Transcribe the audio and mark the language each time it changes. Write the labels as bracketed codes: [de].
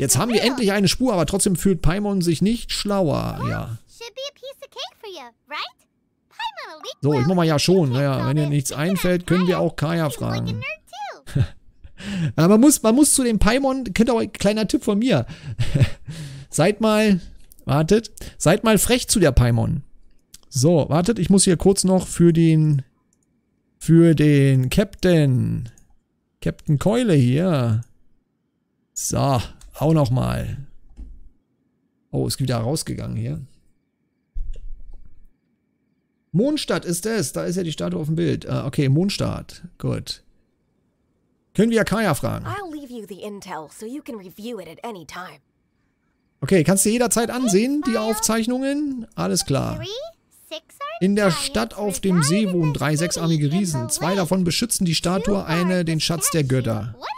[de] Jetzt haben wir endlich eine Spur, aber trotzdem fühlt Paimon sich nicht schlauer. Ja. [en] Should be a piece of cake for you, right? [de] So, ich mach mal ja schon. Naja, wenn dir nichts einfällt, können wir auch Kaya fragen. man muss zu dem Paimon, könnt auch ein kleiner Tipp von mir. Seid mal frech zu der Paimon. So, wartet, ich muss hier kurz noch für den Captain Keule hier. So, auch noch mal. Oh, ist wieder rausgegangen hier. Mondstadt ist es. Da ist ja die Statue auf dem Bild. Okay, Mondstadt. Gut. Können wir Kaya fragen? [en] I'll leave you the intel, so you can review it at any time. [de] Okay, kannst du jederzeit ansehen, die Aufzeichnungen? Alles klar. In der Stadt auf dem See wohnen 3 6-armige Riesen. 2 davon beschützen die Statue, eine den Schatz der Götter.